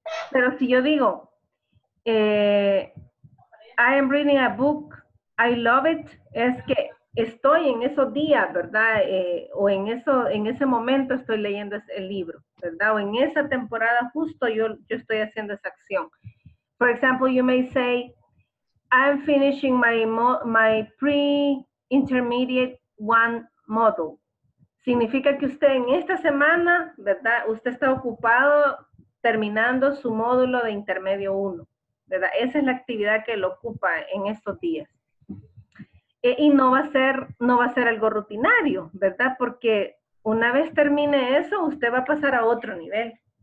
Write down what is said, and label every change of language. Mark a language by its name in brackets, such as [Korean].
[Spanish] Pero si yo digo, [English] I am reading a book, I love it, [Spanish] es que estoy en esos días, ¿verdad? En ese momento estoy leyendo el libro, ¿verdad? O en esa temporada justo yo estoy haciendo esa acción. [English] For example, you may say, I'm finishing my pre-intermediate one module. [Spanish] Significa que usted en esta semana, ¿verdad? Usted está ocupado terminando su módulo de intermedio 1, ¿verdad? Esa es la actividad que lo ocupa en estos días. Y no va a ser algo rutinario, ¿verdad? Porque una vez termine eso, usted va a pasar a otro nivel.